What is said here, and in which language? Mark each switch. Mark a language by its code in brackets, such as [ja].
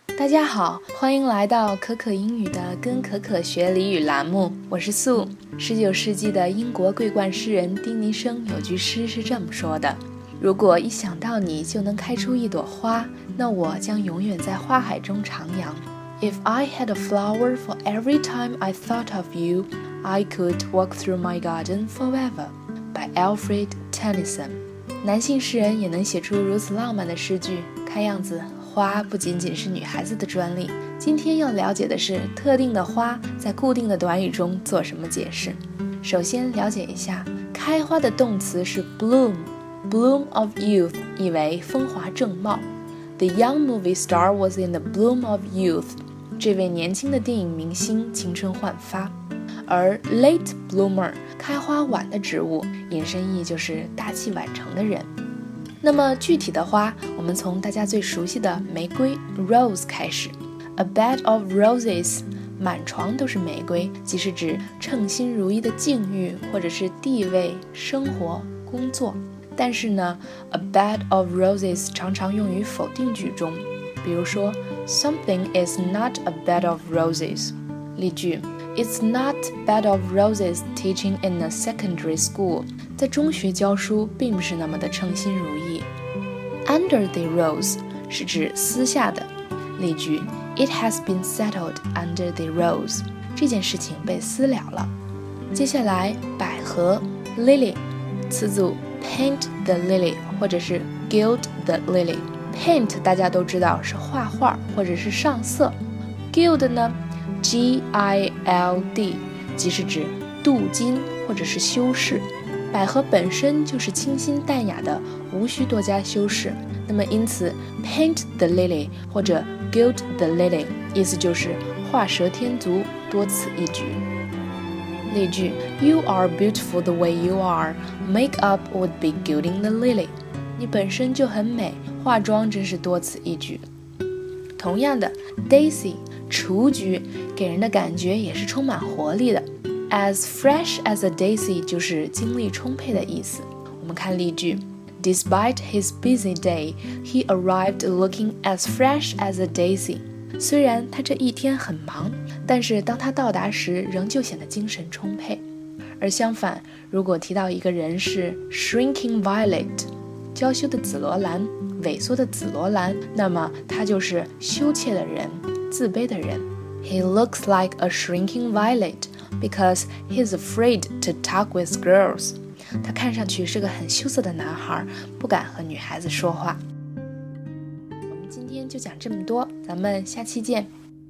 [zh] 大家好，欢迎来到可可英语的跟可可学俚语栏目，我是素。 19世纪的英国桂冠诗人丁尼生有句诗是这么说的，如果一想到你就能开出一朵花，那我将永远在花海中徜徉。 [en] If I had a flower for every time I thought of you, I could walk through my garden forever. By Alfred Tennyson。 [zh] 男性诗人也能写出如此浪漫的诗句，看样子花不仅仅是女孩子的专利。今天要了解的是特定的花在固定的短语中做什么解释。首先了解一下，开花的动词是 bloom， bloom of youth 意为风华正茂。 [en] The young movie star was in the bloom of youth， [zh] 这位年轻的电影明星青春焕发。而 late bloomer， 开花晚的植物，引申意就是大器晚成的人。那么具体的花，我们从大家最熟悉的玫瑰 Rose 开始。 A bed of roses， 满床都是玫瑰，即是指称心如意的境遇，或者是地位、生活、工作。但是呢， [en] A bed of roses [zh] 常常用于否定句中，比如说 [en] Something is not a bed of roses。 [zh] 例句， [en] It's not a bed of roses teaching in a secondary school， [zh] 在中学教书并不是那么的称心如意。 [en] Under the rose [zh] 是指私下的。例句， [en] It has been settled under the rose， [zh] 这件事情被私了了。接下来百合 Lily， 词组 Paint the lily 或者是 Gild the lily。 Paint 大家都知道是画画或者是上色， Gild 呢， G-I-L-D， 即是指镀金或者是修饰。百合本身就是清新淡雅的，无需多加修饰。那么因此 paint the lily 或者 gild the lily 意思就是画蛇添足，多此一举。例句， [en] You are beautiful the way you are, make up would be gilding the lily， [zh] 你本身就很美，化妆真是多此一举。同样的 daisy 雏菊给人的感觉也是充满活力的， [en] As fresh as a daisy [zh] 就是精力充沛的意思。 [en] 我们看例句， Despite his busy day, he arrived looking as fresh as a daisy. [zh] 虽然他这一天很忙，但是当他到达时仍旧显得精神充沛。而相反，如果提到一个人是 shrinking violet， 娇羞的紫罗兰，萎缩的紫罗兰，那么他就是羞怯的人，自卑的人。 [en] He looks like a shrinking violet. Because he's afraid to talk with girls. [zh] 他看上去是个很羞涩的男孩，不敢和女孩子说话。我们今天就讲这么多，咱们下期见。